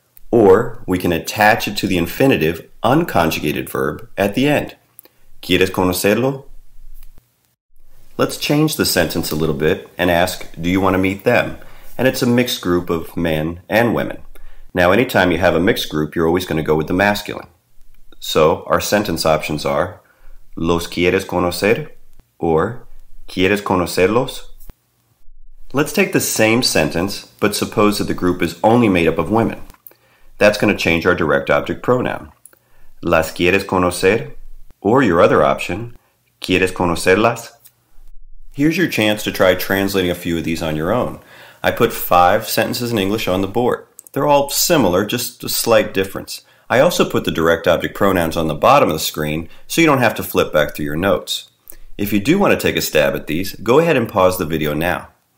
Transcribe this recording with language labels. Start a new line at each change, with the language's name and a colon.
English: Or we can attach it to the infinitive unconjugated verb at the end.
Spanish: ¿Quieres conocerlo?
English: Let's change the sentence a little bit and ask, do you want to meet them? And it's a mixed group of men and women. Now, anytime you have a mixed group, you're always going to go with the masculine. So our sentence options are,
Spanish: ¿Los quieres conocer? Or, ¿Quieres conocerlos?
English: Let's take the same sentence, but suppose that the group is only made up of women. That's going to change our direct object pronoun.
Spanish: ¿Las quieres conocer?
English: Or your other option,
Spanish: ¿Quieres conocerlas?
English: Here's your chance to try translating a few of these on your own. I put 5 sentences in English on the board. They're all similar, just a slight difference. I also put the direct object pronouns on the bottom of the screen so you don't have to flip back through your notes. If you do want to take a stab at these, go ahead and pause the video now.